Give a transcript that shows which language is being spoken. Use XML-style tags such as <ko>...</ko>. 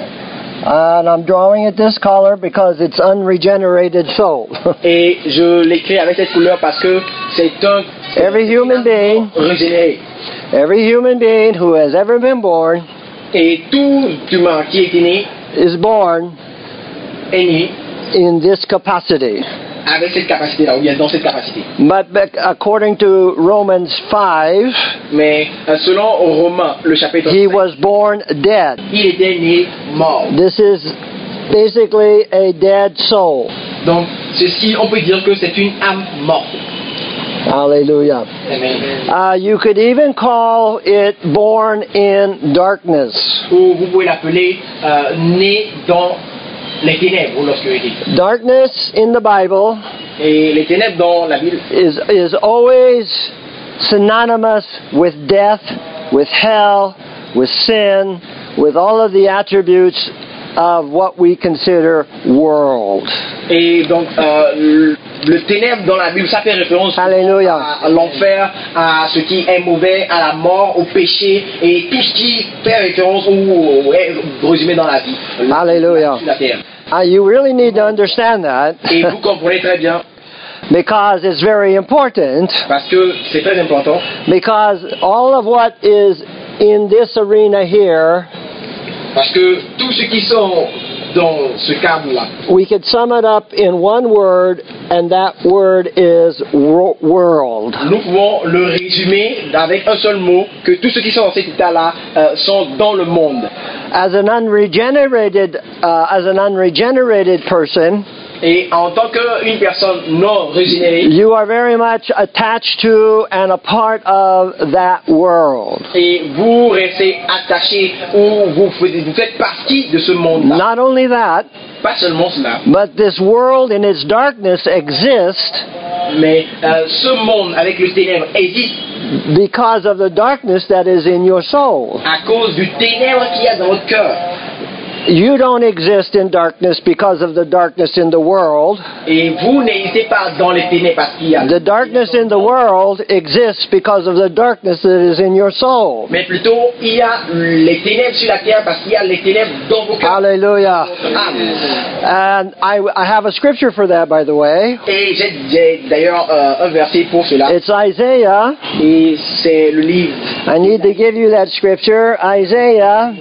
<en>And I'm drawing it this color because it's unregenerated soul.</en> <fr>Et je l'écris avec cette couleur parce que c'est un</fr> <en>every human being</en> <fr>régénéré.</fr> <en>Every human being who has ever been born</en> <fr>et tout humain qui est né</fr> <en>is born</en> <fr>est né</fr> <en>in this capacity.</en> <fr>Avec cette capacité là, ou bien dans cette capacité.</fr> <en>But according to Romans 5,</en> <fr>mais selon Romains le chapitre 5,</fr> <en>he was born dead.</en> <fr>Il était né mort.</fr> <en>This is basically a dead soul.</en> <fr>Donc ceci on peut dire que c'est une âme morte.</fr> <en>Hallelujah. Amen. You could even call it born in darkness.</en> <fr>Ou vous pouvez l'appeler né dans les ténèbres ou l'obscurité.</fr> <en>Darkness in the Bible</en> <fr>et les ténèbres dans la Bible</fr> <en>is always synonymous with death, with hell, with sin, with all of the attributes of what we consider world.</en> <fr>Et donc le ténèbre dans la Bible, ça fait référence Alléluia. À l'enfer, à ce qui est mauvais, à la mort, au péché et tout ce qui fait référence ou est résumé dans la vie.</fr> <en>Alléluia. You really need to understand that.</en> <fr>Et vous comprenez très bien.</fr> <en>Because it's very important.</en> <fr>Parce que c'est très important.</fr> <en>Because all of what is in this arena here.</en> <fr>Parce que tout ce qui sont dans ce cadre-là.</fr> <en>We could sum it up in one word, and that word is world.</en> <fr>Nous pouvons le résumer avec un seul mot, que tout ce qui sont dans cet état-là sont dans le monde.</fr> <en>As an unregenerated, person.</en> <fr>Et en tant qu'une personne non régénérée,</fr> <en>you are very much attached to and a part of that world.</en> <fr>Et vous restez attaché ou vous faites partie de ce monde-là.</fr> <en>Not only that,</en> <fr>pas seulement cela,</fr> <en>but this world in its darkness exists.</en> <fr>Mais ce monde avec le ténèbre existe.</fr> <en>Because of the darkness that is in your soul.</en> <fr>À cause du ténèbre qu'il y a dans votre cœur.</fr> <en>You don't exist in darkness because of the darkness in the world.</en> <fr>Et vous n'existez pas dans les ténèbres parce qu'il y a.</fr> <en>The darkness in the world exists because of the darkness that is in your soul.</en> <fr>Mais plutôt, il y a les ténèbres sur la terre parce qu'il y a les ténèbres dans vos cœurs.</fr> <en>Hallelujah. And I have a scripture for that, by the way.</en> <fr>Et j'ai d'ailleurs un verset pour cela.</fr> <en>It's Isaiah.</en> <fr>Et c'est le livre.</fr> <en>I need to give you that scripture, Isaiah.</en>